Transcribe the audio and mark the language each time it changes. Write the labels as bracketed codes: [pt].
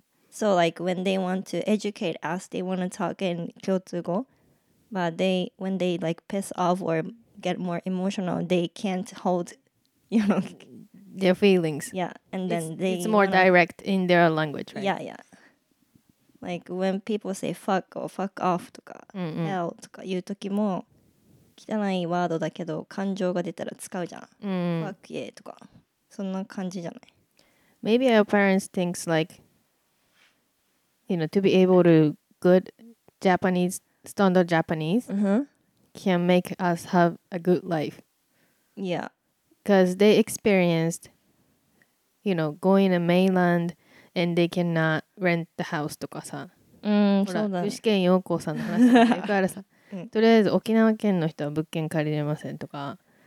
[en] So like when they want to educate us, they want to talk in 共通語。 But they, when they like piss off or get more emotional, they can't hold, you know, their feelings. Yeah, and then it's, they... It's more wanna, direct in their language, right? Yeah, yeah. Like when people say fuck or fuck off とか、 mm-hmm. [ja] hell とか言う時も、汚いワードだけど感情が出たら使うじゃん。 Mm-hmm. [en] Fuck yeah [ja] とか、そんな感じじゃない。 [en] Maybe our parents thinks like, you know, to be able to good Japanese... Standard Japanese、 mm-hmm. can make us have a good life. Yeah. Because they experienced, you know, going to mainland and they cannot rent the house とかさ。 [ja] うん、そうだね。具志堅用高さんの話だからさ。とりあえず沖縄県の人は物件借りれませんとか。